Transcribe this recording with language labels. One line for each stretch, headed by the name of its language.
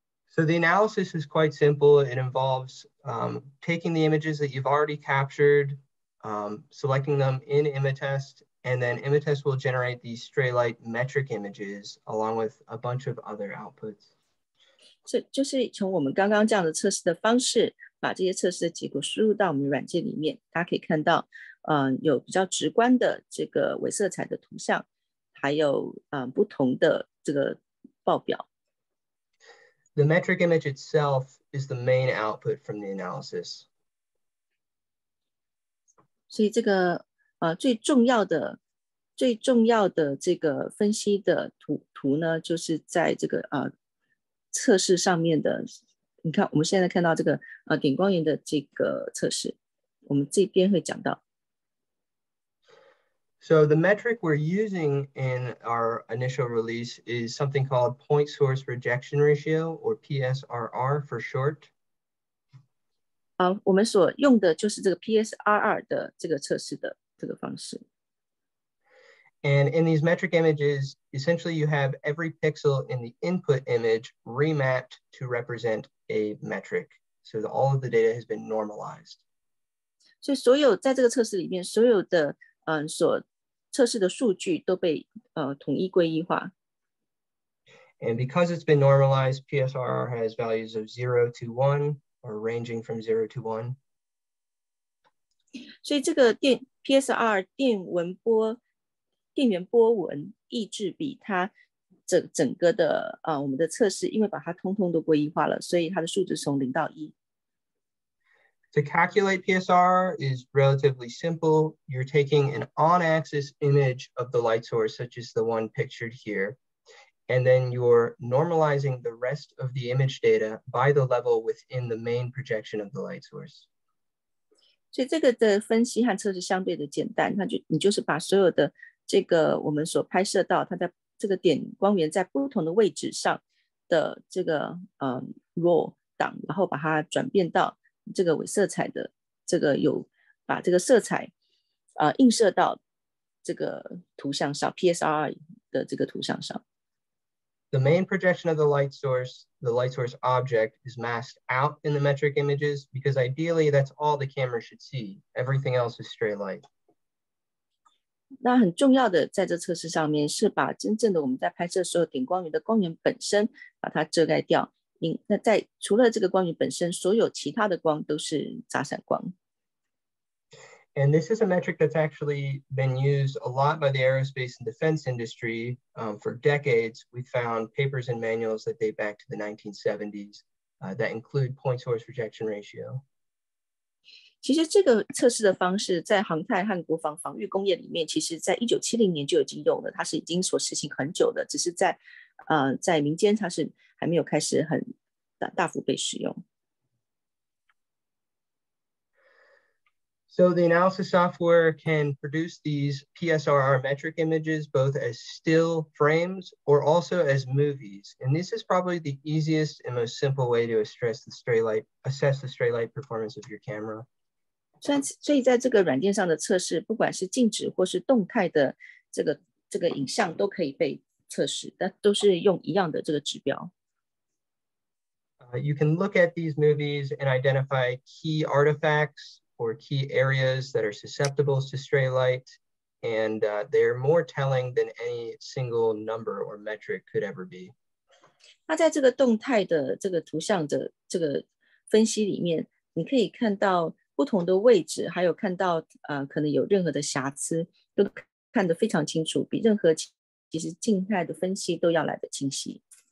English: So the analysis is quite simple. It involves taking the images that you've already captured, selecting them in IMATES. And then IMATES will generate these stray light metric images along with a bunch of other outputs.
Chinese: So, 就是从我们刚刚这样的测试的方式，把这些测试的结果输入到我们软件里面。大家可以看到，有比较直观的这个伪色彩的图像，还有不同的这个报表。
English: The metric image itself is the main output from the analysis.
Chinese: 所以这个最重要的这个分析的图呢，就是在这个测试上面的。你看，我们现在看到这个点光源的这个测试，我们这边会讲到。
English: So the metric we're using in our initial release is something called point source rejection ratio, or PSRR for short.
Chinese: 我们所用的就是这个 PSRR 的这个测试的。这个方式。
English: And in these metric images, essentially you have every pixel in the input image remapped to represent a metric. So all of the data has been normalized.
Chinese: 所以所有在这个测试里面，所有的所测试的数据都被统一归一化。
English: And because it's been normalized, PSRR has values of 0 to 1 or ranging from 0 to 1.
Chinese: 所以这个PSR 电源波纹抑制比它整个的我们的测试，因为把它通通都归一化了，所以它的数值从零到一。
English: To calculate PSR is relatively simple. You're taking an on-axis image of the light source, such as the one pictured here, and then you're normalizing the rest of the image data by the level within the main projection of the light source.
Chinese: 所以这个的分析和测试相对的简单，你就是把所有的这个我们所拍摄到它的这个点光源在不同的位置上的这个RAW 档，然后把它转变到这个伪色彩的这个有把这个色彩映射到这个图像上 PSR 的这个图像上。
English: The main projection of the light source, the light source object, is masked out in the metric images because ideally that's all the camera should see. Everything else is stray light.
Chinese: 那很重要的在这测试上面是把真正的我们在拍摄所有点光源的光源本身把它遮盖掉。那在除了这个光源本身，所有其他的光都是杂散光。
English: And this is a metric that's actually been used a lot by the aerospace and defense industry for decades. We found papers and manuals that date back to the 1970s that include point source rejection ratio.
Chinese: 其实这个测试的方式在航太和国防防御工业里面，其实在1970年就已经有了，它是已经所实行很久的，只是在在民间它是还没有开始很大幅被使用。
English: So the analysis software can produce these PSRR metric images both as still frames or also as movies. And this is probably the easiest and most simple way to assess the stray light performance of your camera.
Chinese: 所以在这个软件上的测试，不管是静止或是动态的这个影像都可以被测试，但都是用一样的这个指标。
English: You can look at these movies and identify key artifacts,or key areas that are susceptible to stray light, and they're more telling than any single number or metric could ever be.
Chinese: 那在这个动态的这个图像的这个分析里面，你可以看到不同的位置，还有看到可能有任何的瑕疵，都看得非常清楚，比任何其实静态的分析都要来得清晰。